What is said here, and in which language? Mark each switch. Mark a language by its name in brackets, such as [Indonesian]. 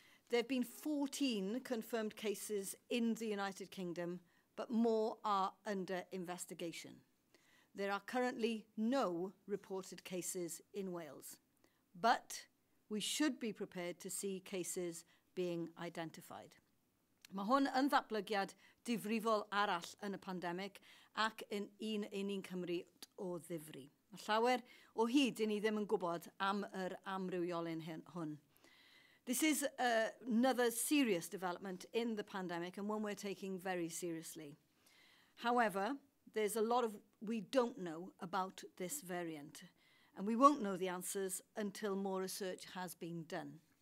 [English] There have been 14 confirmed cases in the United Kingdom, but more are under investigation. There are currently no reported cases in Wales, but we should be prepared to see cases being identified. [Welsh] Mae hwn yn ddatblygiad difrifol arall yn y pandemig ac yn un ni'n Cymru o ddifri. Mae llawer o hyd I ni ddim yn gwybod am yr amrywiolyn hwn. [English] This is another serious development in the pandemic and one we're taking very seriously. However, there's a lot of we don't know about this variant and we won't know the answers until more research has been done.